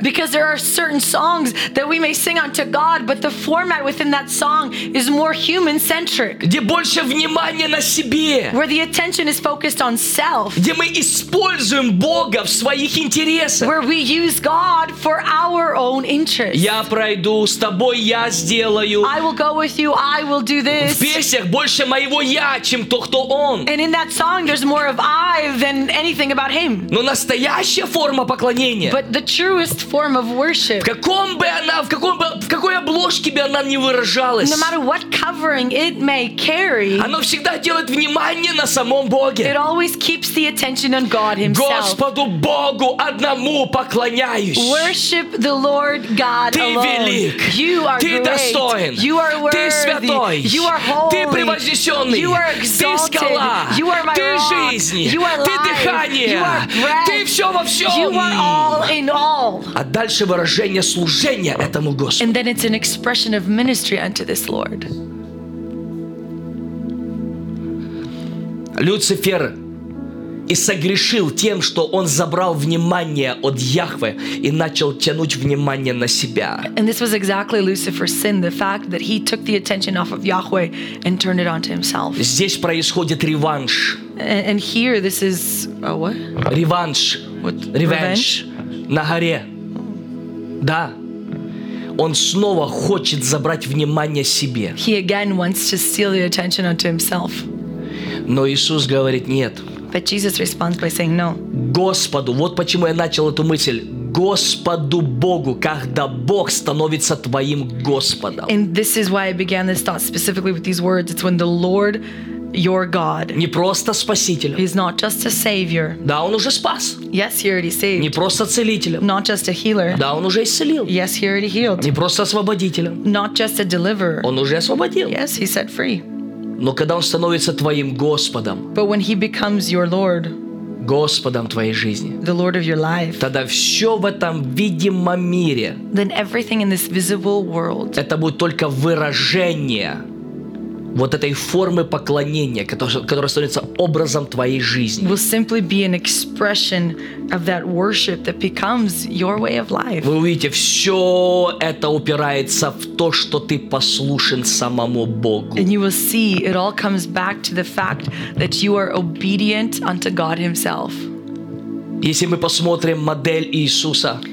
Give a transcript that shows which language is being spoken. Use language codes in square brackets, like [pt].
[en] Because there are certain songs that we may sing unto God, but the format within that song is more human-centric. [ru] Где больше внимания на себе. [en] Where the attention is focused on self, [ru] где мы используем Бога в своих интересах. [en] Where we use God for our own interests. [ru] Я пройду с тобой, я сделаю. [en] I will go with you, I will do this. [ru] В песнях больше моего я, чем то, кто он. [en] And in that song, there's more of I than anything about him. [ru] Но настоящая форма поклонения. [en] But the truest form of worship. [ru] В каком бы она, в каком бы, в какой бы ложки бы она ни выражалась, [en] no matter what covering it may carry, [ru] оно всегда делает внимание на самом Боге. [en] It always keeps the attention on God himself. [ru] Господу Богу одному поклоняюсь. [en] Worship the Lord God [ru] ты [en] alone. [ru] Ты велик. [en] You are [ru] ты [en] great. [ru] Достоин. [en] You are worthy. [ru] Ты святой. [en] You are holy. [ru] Ты превознесенный. [en] You are exalted. [ru] Ты скала. [en] You are my [ru] ты [en] rock. [ru] Жизнь. [en] You are [ru] ты [en] life. [ru] Дыхание. [en] You are breath. [ru] Ты все во всем. [en] You are all in all. [ru] А дальше выражение служения этому Господу. [en] And then it's an expression of ministry unto this Lord. [ru] Люцифер и согрешил тем, что он забрал внимание от Яхве и начал тянуть внимание на себя. [en] And this was exactly Lucifer's sin, the fact that he took the attention off of Yahweh and turned it onto himself. [ru] Здесь происходит реванш. [en] And here this is a what? [ru] Реванш. [en] What? [ru] Реванш. На горе. Да. Он снова хочет забрать внимание себе. [en] He again wants to steal the attention onto himself. [ru] Но Иисус говорит нет. [en] But Jesus responds by saying no. [ru] Господу, вот почему я начал эту мысль. Господу Богу, когда Бог становится твоим Господом. [en] And this is why I began this thought specifically with these words. It's when the Lord, your God. [ru] Не просто спасителем. [en] He's not just a savior. [ru] Да, он уже спас. [en] Yes, he already saved. [ru] Не просто целителем. [en] Not just a healer. [ru] Да, он уже исцелил. [en] Yes, he already healed. [ru] Не просто освободителем. [en] Not just a deliverer. [ru] Он уже освободил. [en] Yes, he set free. [ru] Но когда он становится твоим Господом, [en] but when he becomes your Lord, [ru] Господом твоей жизни, [en] the Lord of your life, [ru] тогда все в этом видимом мире, [en] then everything in this visible world, [ru] это будет только выражение вот этой формы поклонения, которая становится образом твоей жизни, [en] will simply be an expression of that worship that becomes your way of life. [ru] Вы увидите, все это упирается в то, что ты послушен самому Богу. [en] And you will see it all comes back to the fact that you are obedient unto God himself. [ru] Если мы посмотрим модель Иисуса,